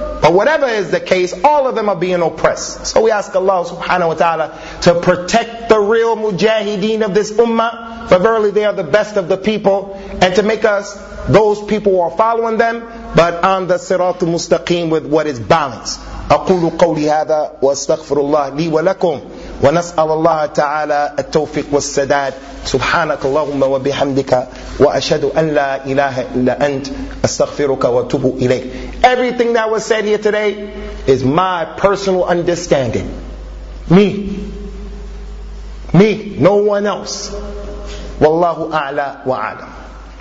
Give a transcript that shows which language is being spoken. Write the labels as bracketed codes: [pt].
[en] But whatever is the case, all of them are being oppressed. So we ask Allah subhanahu wa ta'ala to protect the real mujahideen of this ummah, for verily they are the best of the people, and to make us those people who are following them, but on the sirat al-mustaqim with what is balanced. [ar] أقول قولي هذا وأستغفر الله لي ولكم ونسأل الله تعالى التوفيق والسداد سبحانك اللهم وبحمدك وأشهد أن لا إله إلا أنت أستغفرك وأتوب إليك. [en] Everything that was said here today is my personal understanding. Me, no one else. [ar] والله أعلى وأعلم.